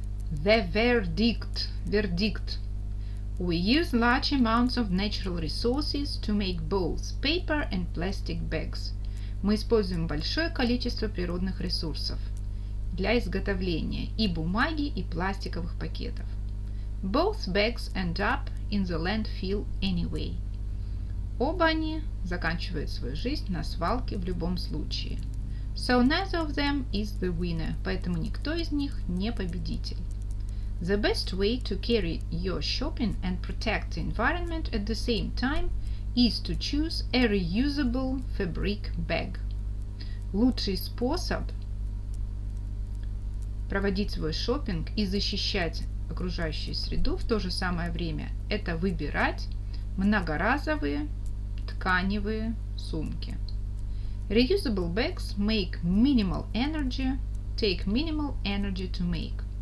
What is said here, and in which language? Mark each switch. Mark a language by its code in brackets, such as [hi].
[en] The verdict. Verdict. We use large amounts of natural resources to make both paper and plastic bags. [ru] Мы используем большое количество природных ресурсов для изготовления и бумаги, и пластиковых пакетов. [en] Both bags end up in the landfill anyway. [ru] Оба они заканчивают свою жизнь на свалке в любом случае. [en] So neither of them is the winner. [ru] Поэтому никто из них не победитель. [en] The best way to carry your shopping and protect the environment at the same time is to choose a reusable fabric bag. [ru] Лучший способ проводить свой шопинг и защищать окружающую среду в то же самое время – это выбирать многоразовые тканевые сумки. [en] Reusable bags make minimal energy, take minimal energy to make.